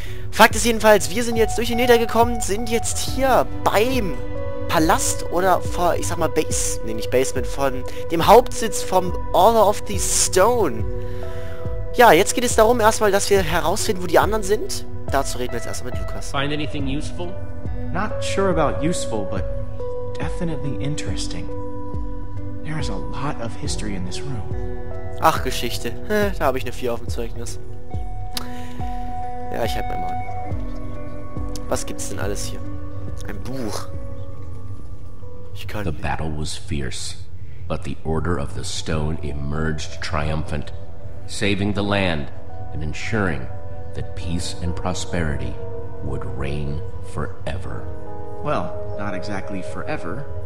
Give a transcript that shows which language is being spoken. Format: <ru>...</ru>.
<de>Fakt ist jedenfalls, wir sind jetzt durch die Nether gekommen, sind jetzt hier beim Palast oder vor, ich sag mal, Base, nämlich Basement von dem Hauptsitz vom Order of the Stone. Ja, jetzt geht es darum erstmal, dass wir herausfinden, wo die anderen sind. Dazu reden wir jetzt erstmal mit Lukas.</de> <en>Find anything useful? Not sure about useful, but definitely interesting. There is a lot of history in this room.</en> <de>Ach, Geschichte. Da habe ich eine 4 auf dem Zeugnis. Ja, ich halt mein Maul. Was gibt's denn alles hier? Ein Buch. Ich kann</de> <en>the battle was fierce, but the Order of the Stone emerged triumphant, saving the land and ensuring that peace and prosperity would reign forever. Well, not exactly forever.</en>